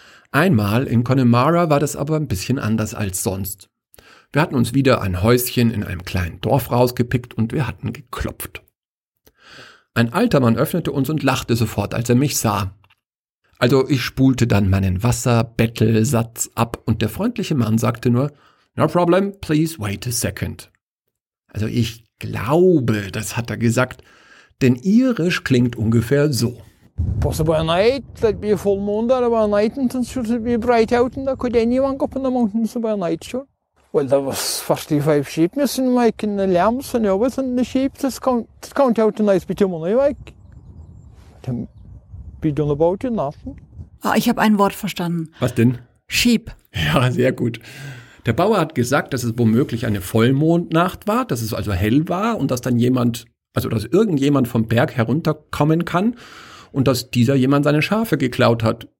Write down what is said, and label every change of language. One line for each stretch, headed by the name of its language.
German: Einmal in Connemara war das aber ein bisschen anders als sonst. Wir hatten uns wieder ein Häuschen in einem kleinen Dorf rausgepickt und wir hatten geklopft. Ein alter Mann öffnete uns und lachte sofort, als er mich sah. Also ich spulte dann meinen Wasserbettelsatz ab und der freundliche Mann sagte nur,
English: No problem, please wait a second.
German: Also ich glaube, das hat er gesagt, denn irisch klingt ungefähr so.
English: Possible night, there'd be a full moon there about night and should it be bright out and there could anyone go up in the mountains about night, sure. Well, there was 45 sheep missing, like, and the lambs and everything, the sheep, just count out a nice bit of money, like. Then be done about it, nothing.
German: Ah, ich habe ein Wort verstanden. Was denn?
English: Sheep.
German: Ja, sehr gut. Der Bauer hat gesagt, dass es womöglich eine Vollmondnacht war, dass es also hell war und dass dann jemand, also dass irgendjemand vom Berg herunterkommen kann und dass dieser jemand seine Schafe geklaut hat.